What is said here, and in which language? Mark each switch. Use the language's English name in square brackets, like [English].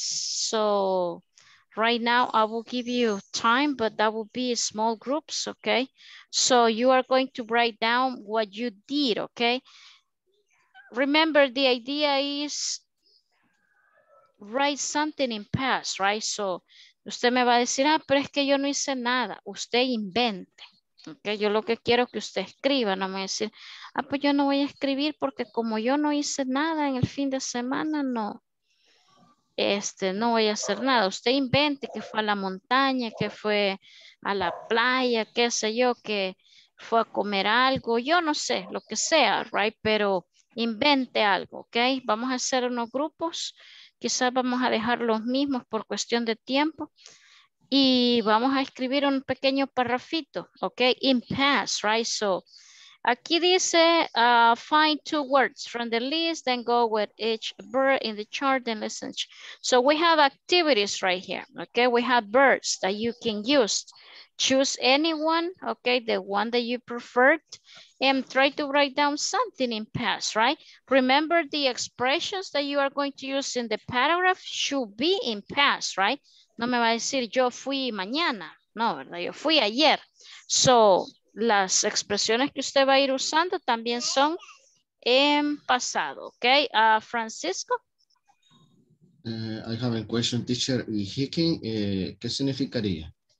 [English] So, right now, I will give you time, but that will be small groups, okay? So you are going to write down what you did, okay? Remember, the idea is write something in past, right? [Spanish] So usted me va a decir, ah, pero es que yo no hice nada. Usted invente, okay? Yo lo que quiero es que usted escriba, no me va a decir, ah, pues yo no voy a escribir porque como yo no hice nada en el fin de semana, no. No voy a hacer nada. Usted invente que fue a la montaña, que fue a la playa, qué sé yo, que fue a comer algo, yo no sé, lo que sea, [English] right? [Spanish] Pero invente algo, ¿ok? Vamos a hacer unos grupos, quizás vamos a dejar los mismos por cuestión de tiempo y vamos a escribir un pequeño parrafito, ¿ok? [English] In past, right? So, [Spanish] aquí dice, [English] find two words from the list, then go with each verb in the chart and listen. So we have activities right here, okay? We have verbs that you can use. Choose anyone, okay? The one that you preferred, and try to write down something in past, right? Remember the expressions that you are going to use in the paragraph should be in past, right? [Spanish] No me va a decir, yo fui mañana. No, ¿verdad? Yo fui ayer. So las expresiones que usted va a ir usando también son en pasado, ¿ok? Francisco. [English] I have a question, teacher. Hiking, [Spanish] ¿qué significaría?